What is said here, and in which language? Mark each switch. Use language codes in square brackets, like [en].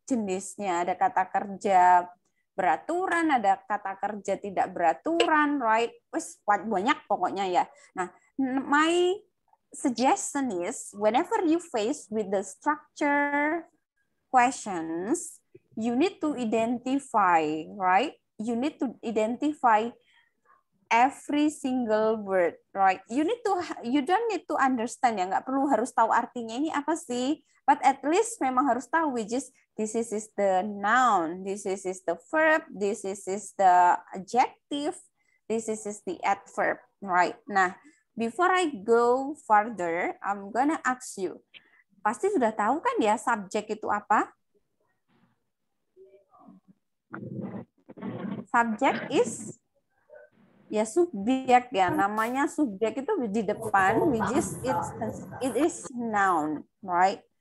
[id] Jenisnya, ada kata kerja beraturan, ada kata kerja tidak beraturan, [en] right? [id] Wih, banyak pokoknya, ya. [en] Nah, my suggestion is whenever you face with the structure questions, you need to identify, right? You need to identify every single word, right? You need to, you don't need to understand, ya. [id] Nggak perlu harus tahu artinya ini apa sih. [en] But at least [id] memang harus tahu, [en] which is this is the noun, this is the verb, this is the adjective, this is the adverb, right? Nah, before I go further, I'm gonna ask you. [id] Pasti sudah tahu kan ya subjek itu apa? Subjek [en] is [id] ya subjek ya. Namanya subjek itu di depan, [en] which is it is noun, right?